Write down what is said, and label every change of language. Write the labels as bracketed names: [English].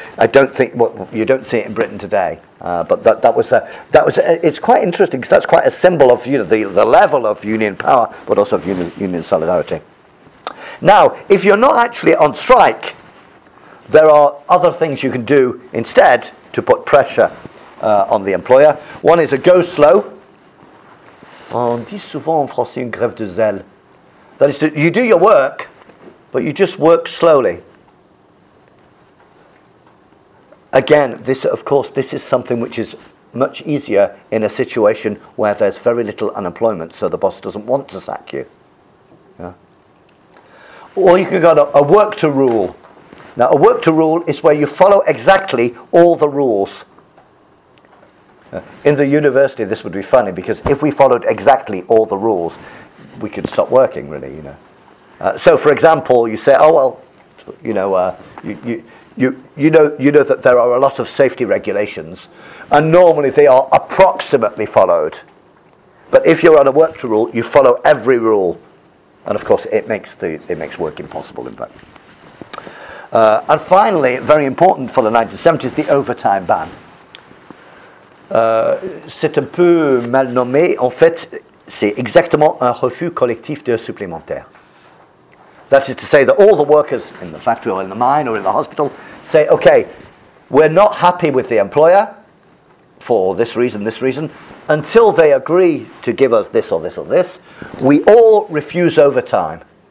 [English] I don't think, you don't see it in Britain today, but it's quite interesting, because that's quite a symbol of, you know, the level of union power, but also of union solidarity. Now, if you're not actually on strike, there are other things you can do instead to put pressure on the employer. One is a go slow. [French] On dit souvent en français une grève de zèle. [English] That is, you do your work, but you just work slowly. Again, this is something which is much easier in a situation where there's very little unemployment, so the boss doesn't want to sack you. Yeah. Or you can go to a work to rule. Now, a work to rule is where you follow exactly all the rules. In the university, this would be funny, because if we followed exactly all the rules, we could stop working, really, you know. So, for example, you say, oh, well, you know, you know that there are a lot of safety regulations, and normally they are approximately followed. But if you're on a work to rule, you follow every rule. And, of course, it makes work impossible, in fact. And finally, very important for the 1970s, the overtime ban. [French] C'est un peu mal nommé. En fait, c'est exactement un refus collectif de supplémentaire. [English] That is to say that all the workers in the factory or in the mine or in the hospital say, okay, we're not happy with the employer for this reason, until they agree to give us this or this or this, we all refuse overtime.